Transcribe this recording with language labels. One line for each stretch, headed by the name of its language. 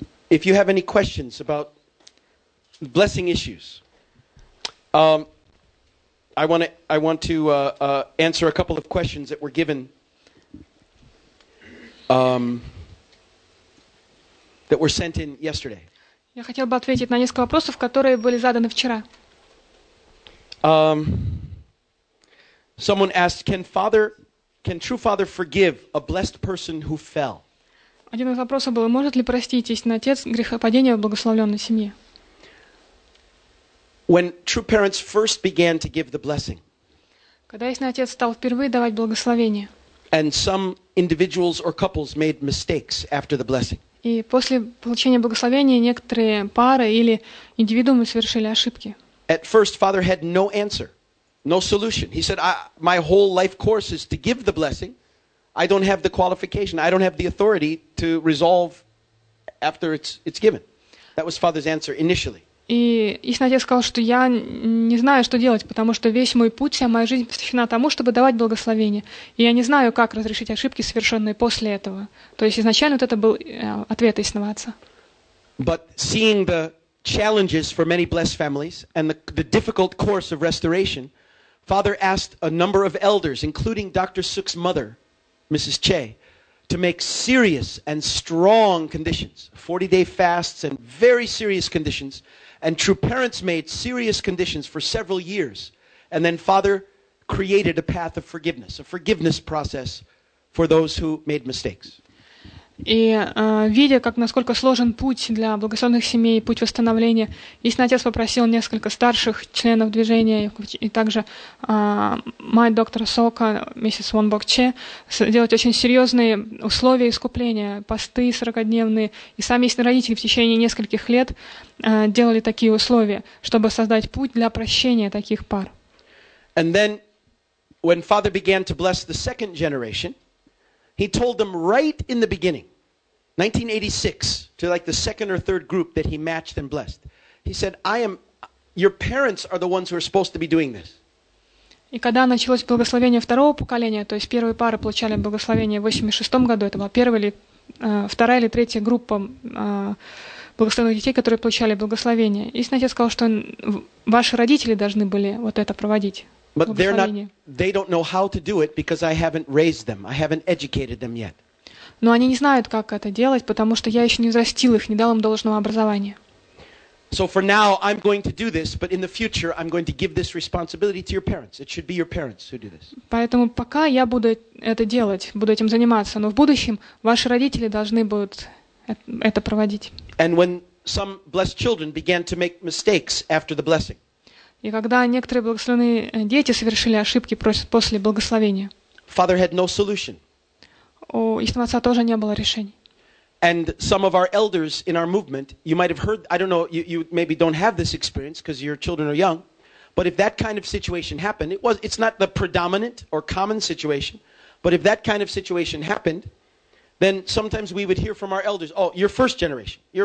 English: If you have any questions about blessing issues. I want to answer a couple of questions that were given. That were sent in yesterday.
Russian: Я хотел бы ответить на несколько вопросов, которые были заданы вчера.
English: Someone asked, can true father forgive a blessed person who fell?
Russian: Один из вопросов был, может ли простить истинный отец грехопадение в благословленной семье?
English: When true parents first began to give the blessing.
Russian: Когда истинный отец стал впервые давать благословение.
English: And some individuals or couples made mistakes after the blessing.
Russian: И после получения благословения некоторые пары или индивидуумы совершили ошибки.
English: At first father had no answer, no solution. He said, my whole life course is to give the blessing. I don't have the qualification, I don't have the authority to resolve after it's given. That was father's answer initially.
Russian: И истинный отец сказал, что я не знаю, что делать, потому что весь мой путь, вся моя жизнь посвящена тому, чтобы давать благословение. И я не знаю, как разрешить ошибки, совершенные после этого. То есть изначально вот это был ответ истинного отца.
English: But seeing the challenges for many blessed families and the difficult course of restoration, father asked a number of elders, including Dr. Suk's mother, Mrs. Che, to make serious and strong conditions, 40-day fasts and very serious conditions, and true parents made serious conditions for several years, and then father created a path of forgiveness, a forgiveness process for those who made mistakes.
Russian: И видя, как насколько сложен путь для благословенных семей, путь восстановления, истинный отец попросил несколько старших членов движения и также мать доктора Сока, миссис Вонбок Че, сделать очень серьезные условия искупления, посты 40-дневные, и сами истинные родители в течение нескольких лет делали такие условия, чтобы создать путь для прощения таких пар.
English: And then, when father began to bless the second generation, he told them right in the beginning, 1986, to like the second or third group that he matched and blessed. He said, your parents are the ones who are supposed to be doing this.
Russian: И когда началось благословение второго поколения, то есть первые пары получали благословение в 86 году, это была первая или вторая или третья группа благословенных детей, которые получали благословение. Истинный отец сказал, что ваши родители должны были вот это проводить.
English: But they don't know how to do it because I haven't raised them. I haven't educated them yet.
Russian: Но они не знают, как это делать, потому что я еще не взрастил их, не дал им должного образования.
English: So for now, I'm going to do this, but in the future, I'm going to give this responsibility to your parents. It should be your parents who do this.
Russian: Поэтому пока я буду это делать, буду этим заниматься, но в будущем ваши родители должны будут это проводить.
English: And when some blessed children began to make mistakes after the blessing.
Russian: И когда некоторые благословенные дети совершили ошибки после благословения,
English: father had no solution.
Russian: У истинного отца тоже не было решений.
English: And some of our elders in our movement, you might have heard, I don't know, you maybe don't have this experience because your children are young, but if that kind of situation happened, it's not the predominant or common situation, but if that kind of situation happened, then sometimes we would hear from our elders, oh, you're first generation.